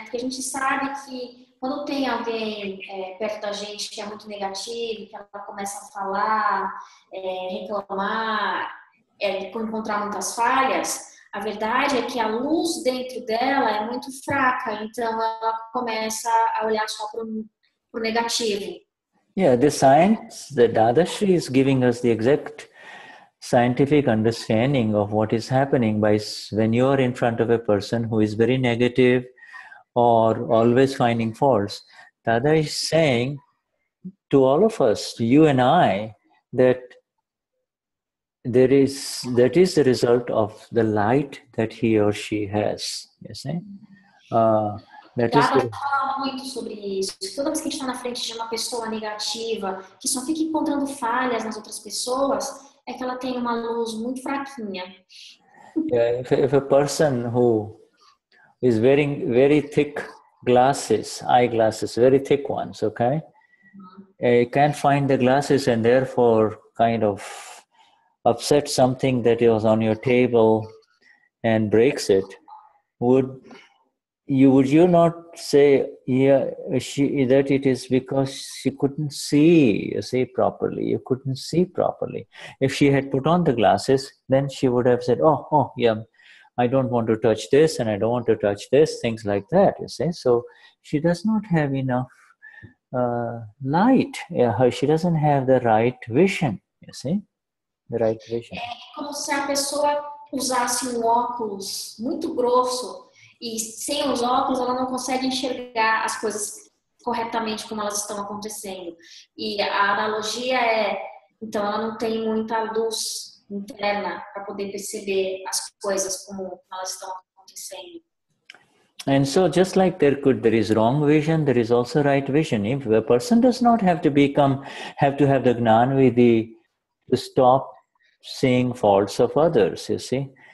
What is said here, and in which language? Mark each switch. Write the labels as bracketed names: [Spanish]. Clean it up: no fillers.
[Portuguese] Porque a gente sabe que quando tem alguém perto da gente que é muito negativo, que ela começa a falar, reclamar, encontrar muitas falhas, a verdade é que a luz dentro dela é muito fraca, então ela começa a olhar só pro negativo. [English] Yeah, the science, the Dadashri is giving us the exact scientific understanding of what is happening by when you are in front of a person who is very negative or always finding faults. Dada is saying to all of us, you and I, that that is the result of the light that he or she has. You see? [Portuguese] Dada fala muito sobre isso. Toda vez que a gente está na frente de uma pessoa negativa, que só fica encontrando falhas nas outras pessoas, é que ela tem uma luz muito fraquinha. [English] Yeah, if a person who is wearing very thick glasses, eyeglasses, very thick ones, okay? Mm-hmm. Can't find the glasses and therefore kind of upset something that was on your table and breaks it, would you not say that it is because she couldn't see, you see, properly? You couldn't see properly. If she had put on the glasses, then she would have said, yeah, I don't want to touch this and I don't want to touch this, things like that, you see. So she does not have enough light. She doesn't have the right vision, you see, the right vision. [Portuguese] É como se a pessoa usasse um óculos muito grosso. E sem os óculos, ela não consegue enxergar as coisas corretamente como elas estão acontecendo. E a analogia é, então, ela não tem muita luz interna para poder perceber as coisas como elas estão acontecendo. [English] And so, just like there is wrong vision, there is also right vision. If a person does not have to have the gnanvidhi to stop seeing faults of others, you see.